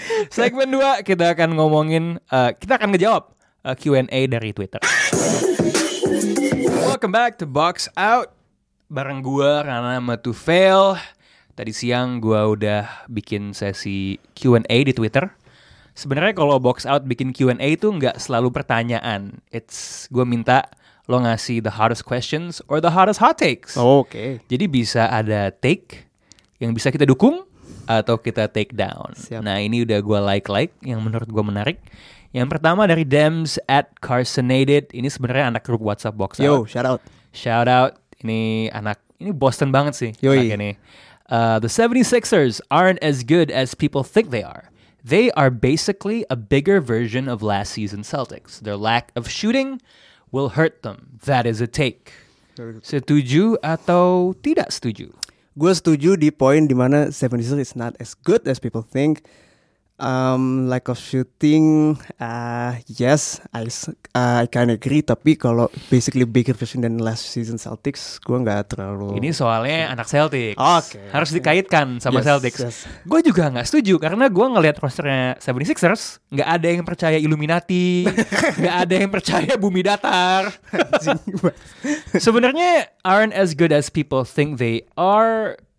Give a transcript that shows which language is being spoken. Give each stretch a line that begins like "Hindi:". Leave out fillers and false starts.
Indonesian: Segmen 2 kita akan ngomongin, kita akan ngejawab Q&A dari Twitter.
English: Welcome back to Box Out.
Indonesian: Bareng gue, Rana Matufail. Tadi siang gue udah bikin sesi Q&A di Twitter. Sebenarnya kalau Box Out bikin Q&A itu nggak selalu pertanyaan.
English: It's
Indonesian: gue minta lo ngasih
English: the hardest questions or the hardest hot takes. Oh, okay.
Indonesian: Jadi bisa ada take yang bisa kita dukung atau kita take down. Siap. Nah ini udah gue like-like yang menurut gue menarik. Yang pertama dari Dems at Carsonated. Ini sebenarnya anak grup WhatsApp Box Out.
English: Yo, shout out.
Indonesian: Ini anak, ini Boston banget sih. Yoi. Anak ini.
English: The 76ers aren't as good as people think they are. They are basically a bigger version of last season Celtics. Their lack of shooting will hurt them. That is a take.
Indonesian: Setuju atau tidak setuju? Gue setuju di poin di mana
English: 76ers is not as good as people think. Lack of shooting, yes, I kind of agree.
Indonesian: Tapi kalau
English: basically bigger version than last season Celtics,
Indonesian: gue nggak terlalu. Ini soalnya anak Celtics,
English: okay.
Indonesian: Harus dikaitkan sama
English: yes,
Indonesian: Celtics.
English: Yes.
Indonesian: Gue juga nggak setuju karena gue ngelihat rosternya 76ers, nggak ada yang percaya Illuminati, nggak ada yang percaya bumi datar. Sebenarnya
English: aren't as good as people think they are.